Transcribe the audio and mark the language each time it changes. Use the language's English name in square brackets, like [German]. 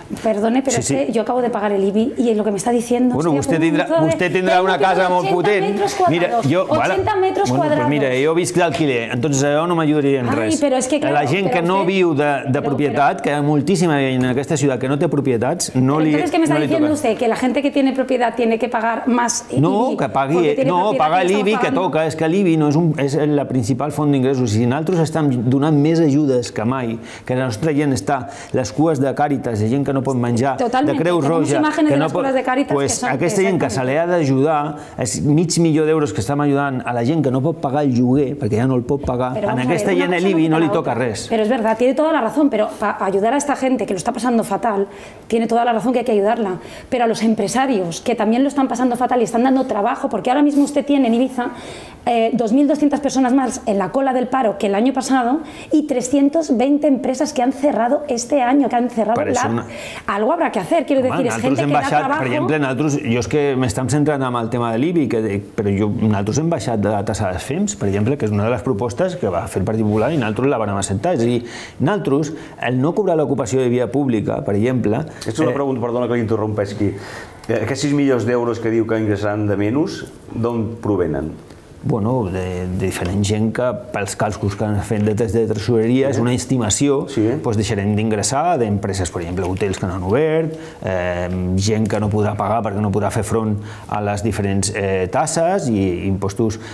[Catalan] Perdone, però és que jo acabo de pagar l'IBI i el que m'està dient... Bueno, vostè tindrà una casa molt potent. 80 metres quadrats. Mira, jo visc d'alquiler, entonces jo no m'ajudaria en res. La gent que no viu de propietat, que hi ha moltíssima gent en aquesta ciutat que no té propietats, no li toca. [Spanish] Entonces, ¿qué me está diciendo usted? Que la gente que tiene propiedad tiene que pagar más IBI. [Catalan] No, que pagui, no, paga l'IBI que toca. És que l'IBI és la principal font d'ingressos. I nosaltres estem donant més ajudes que mai, que la nostra gent està, les cues de Càritas, de gent que no pot menjar, de Creu Roja, que no pot... Totalment, tenim imatges de les cues de Càritas. Aquesta gent que se li ha d'ajudar, és mig milió d'euros que estem ajudant a la gent que no pot pagar el lloguer, perquè ja no el pot pagar, en aquesta gent l'IBI no li toca res. [Spanish] Pero es verdad, tiene toda la razón, pero para ayudar a esta gente que lo está pasando fatal, tiene toda la razón que hay que ayudarla, pero a los empresarios que también lo están pasando fatal y están dando trabajo, porque ahora mismo usted tiene en Ibiza 2.200 personas más en la cola del paro que el año pasado y 320 empresas que han cerrado este año, que han cerrado la... Algo habrá que hacer, quiero decir, es gente que da trabajo... Por ejemplo, nosotros, yo es que me estamos centrando en el tema del IBI, pero yo, nosotros hemos bajado de la tasa de las FEMs, por ejemplo, que es una de las propuestas que va a hacer el Partido Popular y nosotros la van a presentar. [Catalan] És a dir, nosaltres, el no cobrar l'ocupació de via pública, per exemple... És una pregunta, perdona que l'interrompesqui. Aquests 6 milions d'euros que diu que ingressaran de menys, d'on provenen? Bueno, de diferent gent que, pels càlculs que han fet de test de tresoreria, és una estimació, doncs deixarem d'ingressar d'empreses, per exemple, hotels que no han obert, gent que no podrà pagar perquè no podrà fer front a les diferents tasses i impostos.